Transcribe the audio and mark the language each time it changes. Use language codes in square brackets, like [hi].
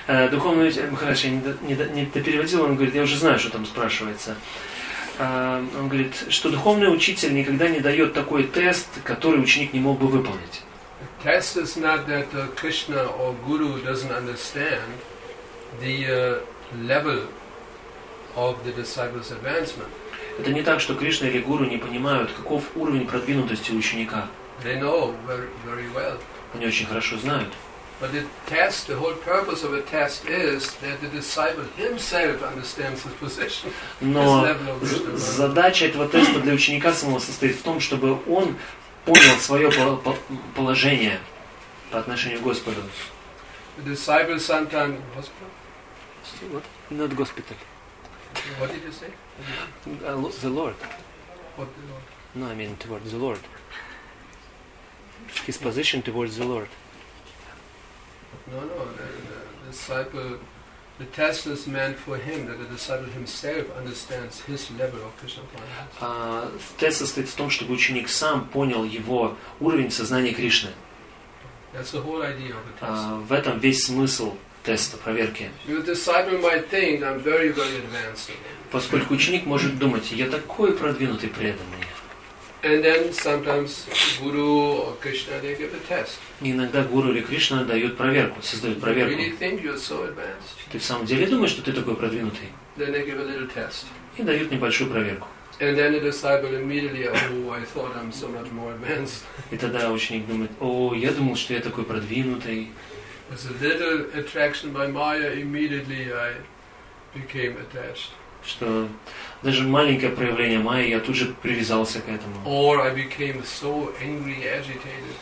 [ru] Духовный учитель, хорошо, не допереводил, он говорит, я уже знаю, что там спрашивается. он говорит, что духовный учитель никогда не дает такой тест, который ученик не мог бы выполнить. [en] Test is not that Krishna or Guru doesn't understand the level of the disciple's advancement. [ru] Это не так, что Кришна или Гуру не понимают, каков уровень продвинутости ученика. [en] They know very, very well. [ru] Они очень хорошо знают. [en] But the test, the whole purpose of a test is that the disciple himself understands his position, his level of wisdom. [ru] Задача этого теста для ученика самого состоит в том, чтобы он понял свое положение по отношению к Господу. [en] The disciple sometimes hospital? Not hospital. What did you say? The Lord. What the Lord? No, I mean towards the Lord. His position towards the Lord. No, no. The disciple, the test is meant for him, that the disciple himself understands his level of Krishna consciousness. [ru] Тест состоит в том, чтобы ученик сам понял его уровень сознания Кришны. [en] That's the whole idea of the test. [ru] В этом весь смысл теста, проверки. [en] Your disciple might think I'm very, very advanced. [ru] Поскольку ученик может думать, я такой продвинутый преданный. [en] And then sometimes Guru or Krishna, they give a test. [ru] Иногда Гуру или Кришна дают проверку, создают проверку. [en] Really think you're so advanced? [ru] Ты в самом деле думаешь, что ты такой продвинутый? [en] Then they give a little test. [ru] И дают небольшую проверку. [en] And then the disciple immediately, oh, I thought I'm so much more advanced. [ru] И тогда ученик думает, о, я думал, что я такой продвинутый. [en] There's a little attraction by Maya, immediately I became attached. [ru] Что даже маленькое проявление майи, я тут же привязался к этому. [en] Or I became so angry, agitated.